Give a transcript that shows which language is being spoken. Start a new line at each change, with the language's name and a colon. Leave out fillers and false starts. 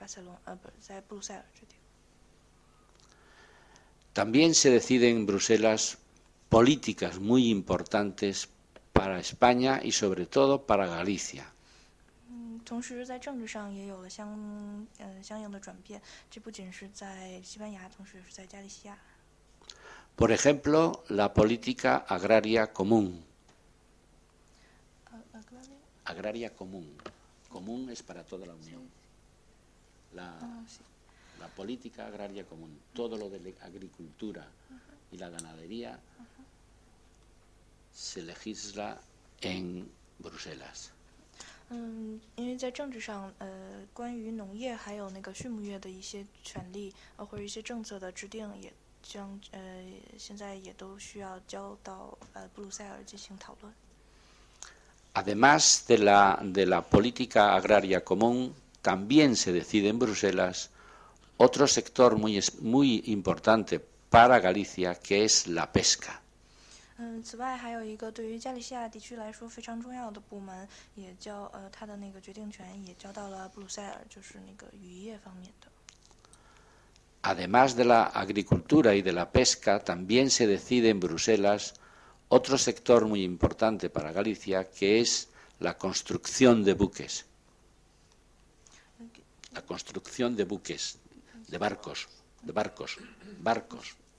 Chinese: 现在，西班牙的货币政策不是在马德里决定，而是在巴塞隆，不是在布鲁塞尔决定。
Spanish: También se decide en Bruselas. Políticas muy importantes para España y sobre todo para Galicia.
Chinese: 同时在政治上也有了相应的转变，这不仅是在西班牙，同时也是在加利西亚。
Spanish: Por ejemplo, la política agraria común. Agraria común. Común es para toda la Unión. La política agraria común, todo lo de la agricultura y la ganadería, se legisla en Bruselas.
Chinese: 因为在政治上，关于农业还有那个畜牧业的一些权利，或者一些政策的制定，也将现在也都需要交到布鲁塞尔进行讨论。
Spanish: Además de la política agraria común, también se decide en Bruselas otro sector muy, muy importante para Galicia, que es la pesca.
Chinese: 此外还有一个对于加利西亚地区来说非常重要的部门，也交他的那个决定权，也交到了布鲁塞尔，就是那个渔业方面的。
Spanish: Además de la agricultura y de la pesca, también se decide en Bruselas otro sector muy importante para Galicia, que es la construcción de buques. La construcción de buques, de barcos, de barcos, barcos.